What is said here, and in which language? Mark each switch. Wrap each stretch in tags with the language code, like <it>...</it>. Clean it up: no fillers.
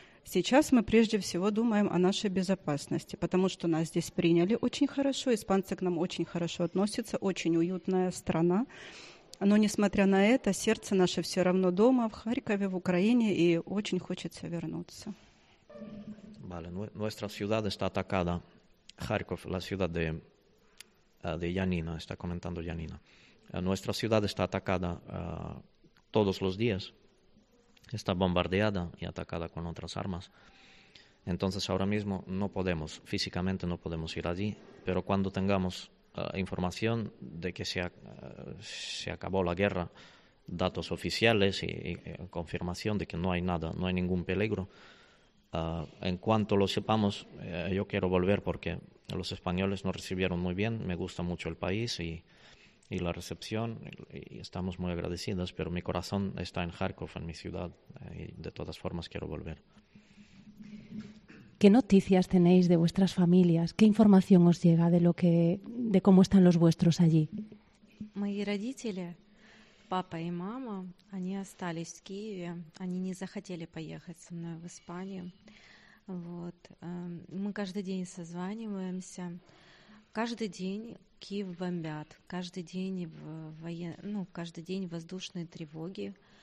<ru>Сейчас мы прежде всего думаем о нашей безопасности, потому что нас здесь приняли очень хорошо, испанцы к нам очень хорошо относятся, очень уютная страна. Но, несмотря на это, сердце наше все равно дома, в Харькове, в Украине, и очень хочется вернуться.</ru> <es>Vale, nuestra ciudad está atacada. Харьков, la ciudad de Yanina, está comentando Yanina. Nuestra ciudad está atacada todos los días. Está bombardeada y atacada con otras armas. Entonces, ahora mismo no podemos, físicamente no podemos ir allí, pero cuando tengamos información de que se acabó la guerra, datos oficiales y confirmación de que no hay nada, no hay ningún peligro, en cuanto lo sepamos, yo quiero volver porque los españoles nos recibieron muy bien, me gusta mucho el país y la recepción, y estamos muy agradecidos, pero mi corazón está en Kharkov, en mi ciudad, y de todas formas quiero volver. ¿Qué noticias tenéis de vuestras familias? ¿Qué información os llega de lo que, de cómo están los vuestros allí?</es> <ru>Мои родители, папа и мама, они остались в Киеве. Они не захотели поехать со мной в Испанию. Вот. Мы каждый день созваниваемся. Каждый день Киев бомбят. Каждый день каждый день воздушные тревоги.</ru>